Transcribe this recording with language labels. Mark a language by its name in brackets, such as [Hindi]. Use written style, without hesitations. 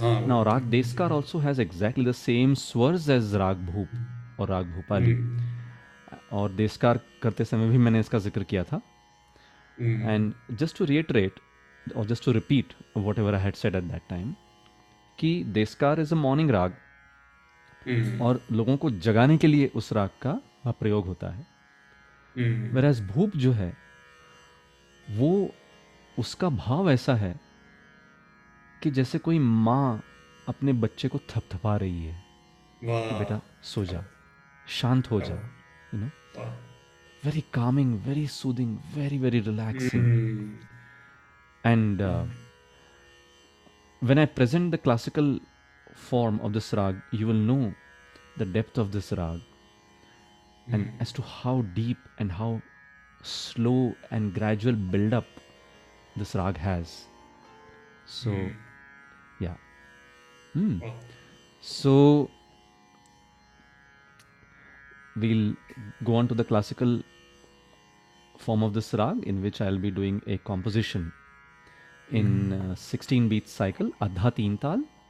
[English] Now Raag Deskar also has exactly the same swars as Raag Bhoop. [Hindi] और राग भूपाली और देशकार करते समय भी मैंने इसका जिक्र किया था. [English] and just to reiterate और just to repeat whatever I had said at that time कि Deshkar is a morning raga [Hindi] और लोगों को जगाने के लिए उस राग का प्रयोग होता है. [English] whereas [Hindi] भूप जो है वो उसका भाव ऐसा है कि जैसे कोई माँ अपने बच्चे को थपथपा रही है, बेटा सो जा, शांत हो जा, [English] You know, very calming, very soothing, very very relaxing. And when I present the classical form of this raga you will know the depth of this raga and as to how deep and how slow and gradual buildup this raga has. So yeah so we'll go on to the classical form of this rag in which I'll be doing a composition in 16 beat cycle, Adha Teen Taal.